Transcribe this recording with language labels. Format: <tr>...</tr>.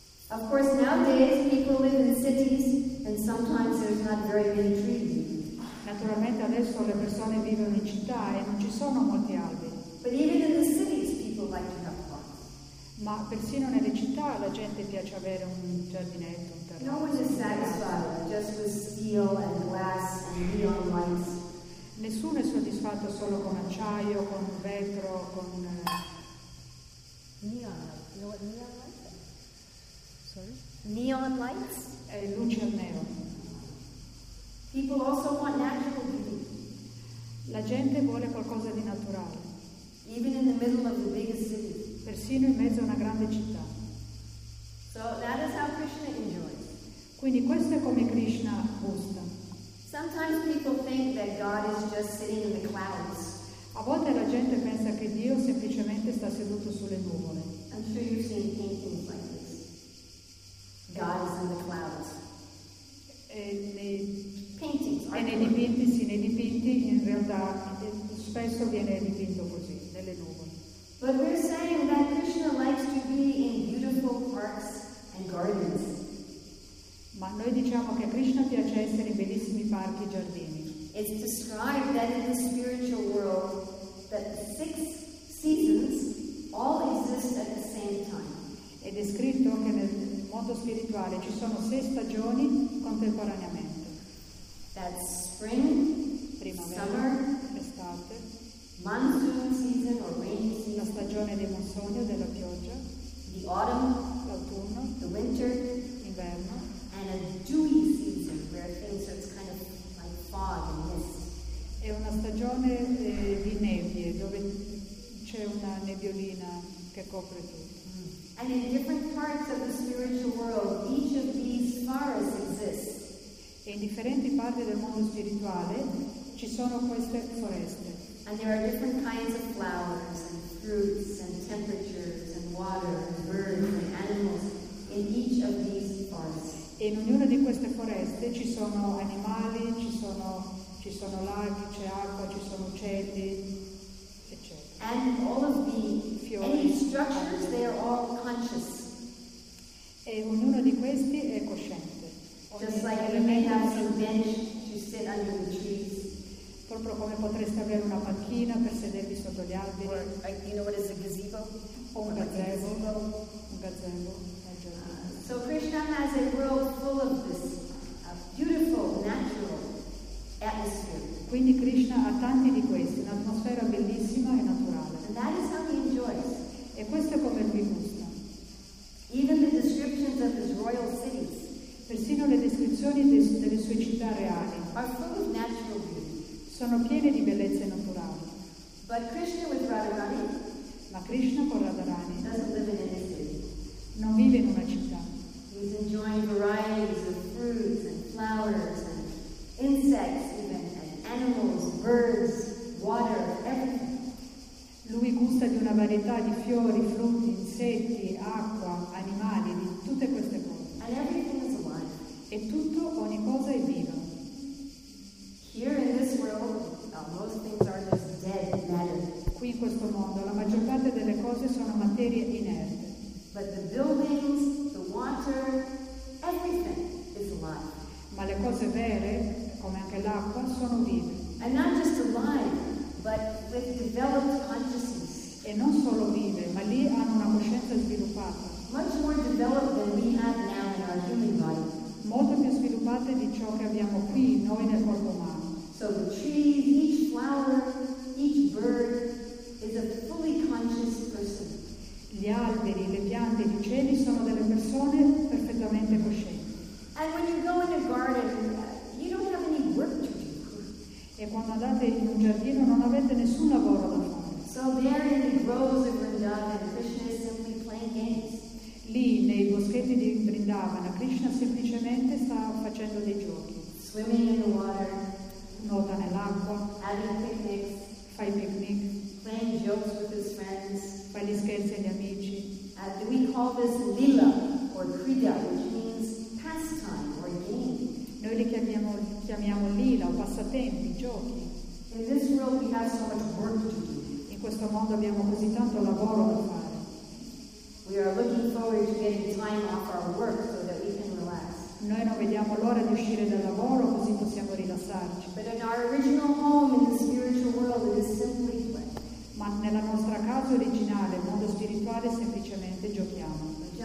<en>Of course, nowadays people live in the cities, and sometimes there's not very many trees.</en> <it>Naturalmente adesso le persone vivono in città e non ci sono molti alberi.</it> <en>But even in the cities, people like to have plants.</en> <it>Ma persino nelle città la gente piace avere un giardinetto, un terreno.</it> <en>No one is satisfied just with steel and glass and neon lights.</en> <it>Nessuno è soddisfatto solo con acciaio, con vetro, con</it> <en>neon. You know what neon light? Neon lights?</en> <it>Luce al nero.</it> <en>People also want natural beauty.</en> <it>La gente vuole qualcosa di naturale.</it> <en>Even in the middle of the biggest city.</en> <it>Persino in mezzo a una grande città.</it> <en>So that is how Krishna enjoys.</en> <it>Quindi questo è come Krishna gusta.</it> <en>Sometimes people think that God is just sitting in the clouds.</en> <it>A volte la gente pensa che Dio semplicemente sta seduto sulle nuvole.</it> <en>I'm sure you've seen paintings like this. God is in the clouds.</en> <it>Nei dipinti, in realtà spesso viene dipinto così, nelle nuvole.</it> <en>But we're saying that Krishna likes to be in beautiful parks and gardens.</en> <it>Ma noi diciamo che Krishna piace essere in bellissimi parchi e giardini.</it> <en>It's described that in the spiritual world that the six seasons all exist at the same time.</en> <it>È descritto che nel mondo spirituale ci sono sei stagioni contemporaneamente.</it> <en>That's spring,</en> <it>primavera,</it> <en>summer,</en> <it>estate,</it> <en>monsoon season or rainy season,</en> <it>la stagione dei monsoni o della pioggia,</it> <en>the autumn,</en> <it>l'autunno,</it> <en>the winter,</en> <it>inverno,</it> <en>and a dewy season where things are kind of like fog and mist.</en> <it>È una stagione di nebbie dove c'è una nebbiolina che copre tutto.</it> <en>And in different parts of the spiritual world, each of these spheres exists.</en> <it>E in differenti parti del mondo spirituale ci sono queste foreste.</it> <en>And there are different kinds of flowers and fruits and temperatures and water and birds and animals in each of these forests.</en> <it>E in ognuna di queste foreste ci sono animali, ci sono laghi, c'è acqua, ci sono uccelli, eccetera.</it> <en>And all of the any structures, they are all conscious.</en> <it>E ognuno di questi è cosciente.</it> <en>Just like you may have some bench to sit under the trees.</en> <it>Proprio come potreste avere una panchina per sedervi sotto gli alberi.</it> <en>Or, you know what is a gazebo?</en> <it>O un gazebo. Un gazebo.</it> <en>So Krishna has a world full of this beautiful, natural atmosphere.</en> <it>Quindi Krishna ha tanti di questi, un'atmosfera bellissima e naturale.</it> <en>And that is how he enjoys.</en> <it>E questo è come lui gusta.</it> <en>Even the descriptions of his royal cities.</en> <it>Persino le descrizioni delle sue città reali.</it> <en>Are full of natural beauty.</en> <it>Sono piene di bellezze naturali.</it> <en>But Krishna with Radharani.</en> <it>Ma Krishna con Radharani.</it> <en>Doesn't live in any city.</en> <it>Non vive in una città.</it> <en>He's enjoying varieties of fruits and flowers and insects. Animals, birds, water, everything.</en> <it>Lui gusta di una varietà di fiori, frutti, insetti, acqua, animali, di tutte queste cose.</it> <en>And everything is alive.</en> <it>E tutto, ogni cosa è viva.</it> <en>Here in this world, most things are just dead matter.</en> <it>Qui in questo mondo, la maggior parte delle cose sono materie inerte.</it> <en>But the buildings, the water, everything is alive.</en> <it>Ma le cose vere, come anche l'acqua, sono vive.</it> <en>And not just alive, but with developed consciousness.</en> <it>E non solo vive, ma lì hanno una coscienza sviluppata.</it> <en>Much more developed than we have now in our human body.</en> <it>Molto più sviluppate di ciò che abbiamo qui, noi nel corpo umano.</it> <en>So the trees, each flower, each bird is a fully conscious person.</en> <it>Gli alberi, le piante, gli uccelli sono delle persone perfettamente coscienti.</it> <en>And when you go in a garden, you don't have any work to do.</en> <it>E quando andate in un giardino non avete nessun lavoro da fare.</it> <en>So there in the groves of Vrindavan, Krishna is simply playing games.</en> <it>Lì, nei boschetti di Vrindavana, Krishna semplicemente sta facendo dei giochi.</it> <en>Swimming in the water.</en> <it>Nuota nell'acqua.</it> <en>Having picnics.</en> <it>Fai picnic.</it> <en>Playing jokes with his friends.</en> <it>Fai gli scherzi agli amici.</it> <en>And we call this lila or krida, which means pastime or game.</en> <it>Noi li chiamiamo lila, o passatempi, giochi.</it> <en>In this world we have so much work to do.</en> <it>In questo mondo abbiamo così tanto lavoro da fare.</it> <en>We are looking forward to getting time off our work so that we can relax.</en> <it>Noi non vediamo l'ora di uscire dal lavoro così possiamo rilassarci.</it> <en>But in our original home in the spiritual world it is simply play.</en> <it>Ma nella nostra casa originale, nel mondo spirituale, semplicemente giochiamo.</it>